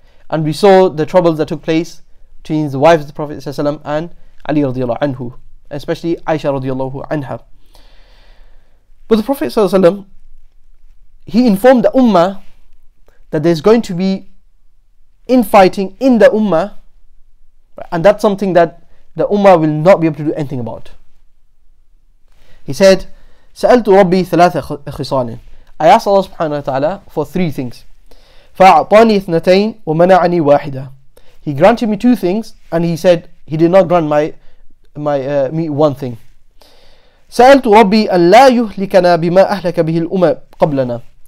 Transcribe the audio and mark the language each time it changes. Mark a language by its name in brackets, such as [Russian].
[English] And we saw the troubles that took place between the wives of the Prophet ﷺ and Ali radiallahu anhu, especially Aisha radiallahu anha. But the Prophet ﷺ, he informed the Ummah that there's going to be infighting in the Ummah, and that's something that the Ummah will not be able to do anything about. [Arabic] He said, سَأَلْتُ رَبِّي ثَلَاثَ خِصَانٍ. [English] I asked Allah subhanahu wa ta'ala for three things. [Arabic] فَأَعْطَانِي اثْنَتَيْنِ وَمَنَعَنِي وَاحِدًا. [English] He granted me two things, and he said he did not grant me one thing. [Arabic] سَأَلْتُ رَبِّي أَنْ لَا يُهْلِكَنَا بِمَا أَهْلَكَ بِهِ الْأُمَمُ قَبْلَنَا.